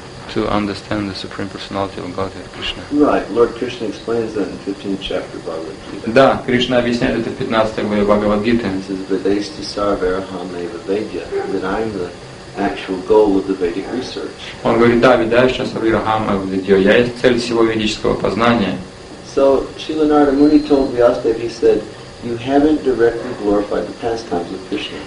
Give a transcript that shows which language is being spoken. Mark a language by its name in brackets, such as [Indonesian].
[English] To understand the Supreme Personality of Godhead, Krishna. Right, Lord Krishna explains that in 15th chapter of Bhagavad Gita. [Russian] Да, Кришна объясняет это в 15 главе Бхагавад Гиты. [English] He says, [Sanskrit] "Vedasthi sarvaham eva vedya," [English] that I'm the actual goal of the Vedic research. [Russian] Он говорит: "Да, [Sanskrit] Vedasthi sarvaham eva vedya," [Russian] я есть цель всего ведического познания. [English] So Śrīla Narada Muni told Vyāsadeva, he said, "You haven't directly glorified the pastimes of Krishna."